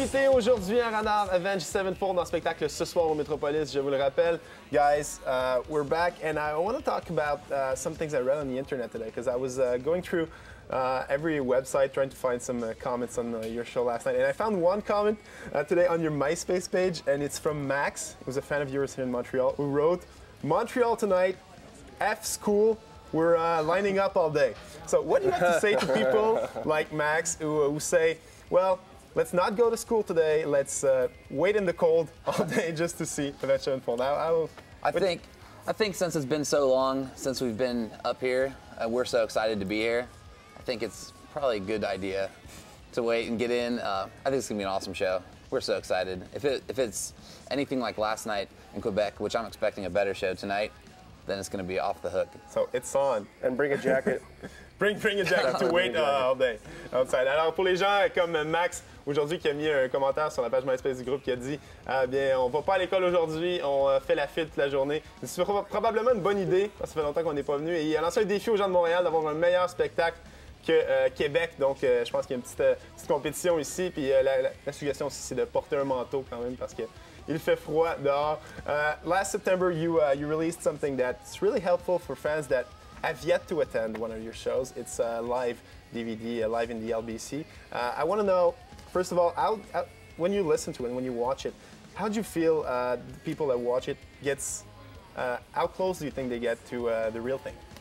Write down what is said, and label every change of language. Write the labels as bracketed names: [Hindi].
[French] Aujourd'hui, un radar Avenged Sevenfold dans le spectacle ce soir au Metropolis, je vous le rappelle. [English] Guys, we're back, and I want to talk about some things I read on the internet today, because I was going through every website trying to find some comments on your show last night, and I found one comment today on your MySpace page, and it's from Max, who's a fan of yours here in Montreal, who wrote, "Montreal tonight, F school, we're lining up all day." So what do you have to say to people like Max who say, well, let's not go to school today. Let's wait in the cold all day just to see Avenged Sevenfold. I think since it's been so long since we've been up here, we're so excited to be here. I think it's probably a good idea to wait and get in. I think it's gonna be an awesome show. We're so excited. If it's anything like last night in Quebec, which I'm expecting a better show tonight, then it's gonna be off the hook. So it's on. And bring a jacket. Bring a jacket to wait all day outside. [French] Alors pour les gens comme Max aujourd'hui qui a mis un commentaire sur la page MySpace du groupe qui a dit bien on va pas à l'école aujourd'hui, on fait la file toute la journée. C'est probablement une bonne idée parce que ça fait longtemps qu'on n'est pas venu et il a lancé un défi aux gens de Montréal d'avoir un meilleur spectacle que Québec. Donc je pense qu'il y a une petite compétition ici. Puis la suggestion aussi c'est de porter un manteau quand même parce que il fait froid dehors. [English] Last September you released something that's really helpful for fans that I've yet to attend one of your shows. It's a live DVD, live in the LBC. I want to know, first of all, how, when you listen to it, when you watch it, how do you feel the people that watch it gets, how close do you think they get to the real thing?